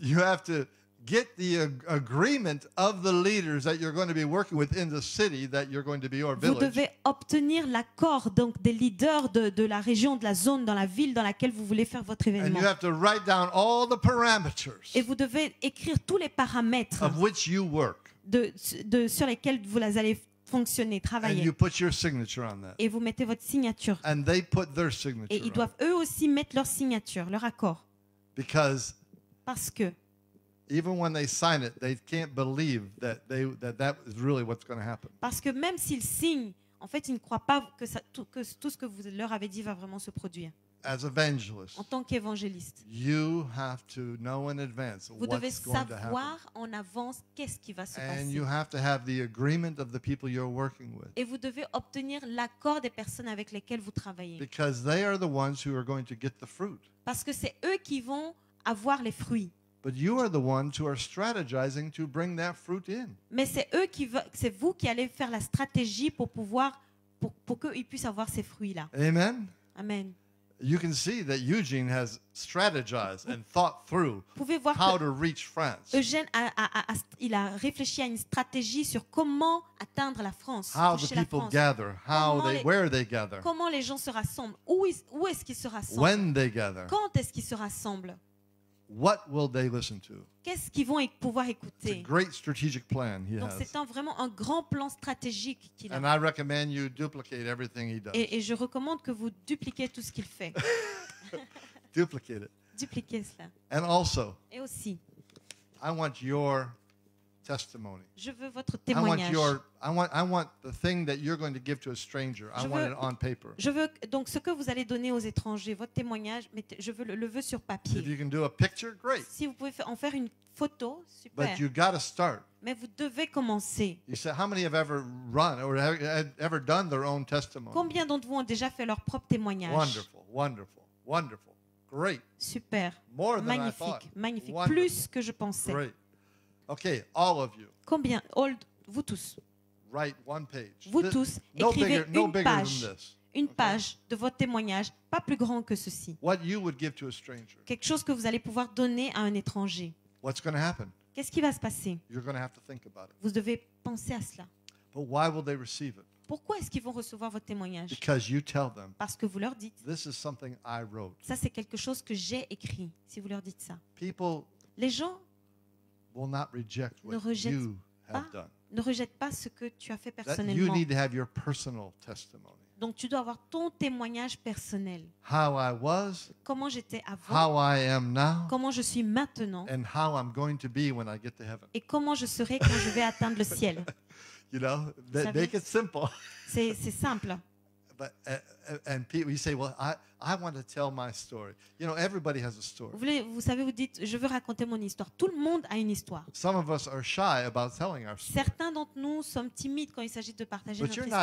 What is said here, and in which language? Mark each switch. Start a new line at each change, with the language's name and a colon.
English: You have to get the agreement of the leaders that you're going to be working with in the city that you're going to be or village.
French: Vous devez obtenir l'accord donc des leaders de la région, de la zone, dans la ville dans laquelle vous voulez faire votre événement.
English: And you have to write down all the parameters.
French: Et vous devez écrire tous les paramètres
English: of which you work.
French: De sur lesquels vous les allez fonctionner, travailler.
English: And you put your signature on that.
French: Et vous mettez votre signature.
English: And they put their signature.
French: Et ils doivent eux aussi mettre leur signature, leur accord.
English: Because
French: parce que
English: even when they sign it, they can't believe that is really what's going to happen.
French: Parce que même s'ils signent, en fait, ils ne croient pas que tout ce que vous leur avez dit va vraiment se produire.
English: As evangelist,
French: en tant qu'évangéliste,
English: you have to know in advance
French: vous
English: what's
French: devez
English: going
French: savoir
English: to happen.
French: En avance qu'est-ce qui va se
English: and
French: passer.
English: You have to have the agreement of the people you're working with.
French: Et vous devez obtenir l'accord des personnes avec lesquelles vous travaillez.
English: Because they are the ones who are going to get the fruit.
French: Parce que c'est eux qui vont avoir les fruits.
English: But you are the ones who are strategizing to bring that fruit in.
French: Mais c'est vous qui allez faire la stratégie pour qu'ils puissent avoir ces fruits-là.
English: Amen.
French: Amen.
English: You can see that Eugene has strategized and thought through how to reach France.
French: Eugène a réfléchi à une stratégie sur comment atteindre la France.
English: How the people gather, where they gather.
French: Comment les gens se rassemblent, où est-ce qu'ils se rassemblent?
English: When they gather.
French: Quand est-ce qu'ils se rassemblent?
English: What will they listen to?
French: Qu'est-ce qu'ils vont pouvoir écouter?
English: It's a great strategic plan he
French: Donc
English: has.
French: C'est un, vraiment un grand plan stratégique qu'il
English: And
French: a.
English: I recommend you duplicate everything he does.
French: Et je recommande que vous dupliquiez tout ce qu'il fait.
English: Duplicate it.
French: Dupliquez cela.
English: And also,
French: et aussi,
English: I want your testimony.
French: Je veux votre témoignage.
English: I want the thing that you're going to give to a stranger. I want it on paper.
French: Je veux donc ce que vous allez donner aux étrangers, votre témoignage, mais je veux le veux sur papier.
English: If you can do a picture, great.
French: Si vous pouvez en faire une photo, super.
English: But you got to start.
French: Mais vous devez commencer.
English: You say, how many have ever run or have ever done their own testimony?
French: Combien d'entre vous ont déjà fait leur propre témoignage?
English: Wonderful, wonderful, wonderful. Great.
French: Super.
English: More than
French: magnifique,
English: I thought.
French: Magnifique.
English: Wonderful.
French: Plus que je pensais.
English: Great. Okay, all of you.
French: Combien,
English: all,
French: vous tous.
English: Write one page.
French: Vous tous, écrivez une page. Une page de votre témoignage, pas plus grand que ceci.
English: What you would give to a stranger.
French: Quelque chose que vous allez pouvoir donner à un étranger.
English: What's going to happen?
French: Qu'est-ce qui va se passer?
English: You're going to have to think about it.
French: Vous devez penser à cela.
English: But why will they receive it?
French: Pourquoi est-ce qu'ils vont recevoir votre témoignage?
English: Because you tell them.
French: Parce que vous leur dites.
English: This is something I wrote.
French: Ça, c'est quelque chose que j'ai écrit, si vous leur dites ça.
English: People.
French: Les gens.
English: Will not reject what you have done.
French: Ne rejette pas ce que tu as fait personnellement.
English: You need to have your personal testimony.
French: Donc tu dois avoir ton témoignage personnel.
English: How I was.
French: Comment j'étais avant.
English: How I am now.
French: Comment je suis maintenant.
English: And how I'm going to be when I get to heaven.
French: Et comment je serai quand je vais atteindre le ciel.
English: You know, make it simple.
French: C'est simple.
English: But and people, you say, well, I want to tell my story. You know, everybody has a story.
French: Vous savez, vous dites, je veux raconter mon histoire. Tout le monde a une histoire.
English: Some of us are shy about telling our story.
French: Certains d'entre nous sommes timides quand il s'agit de partager notre histoire.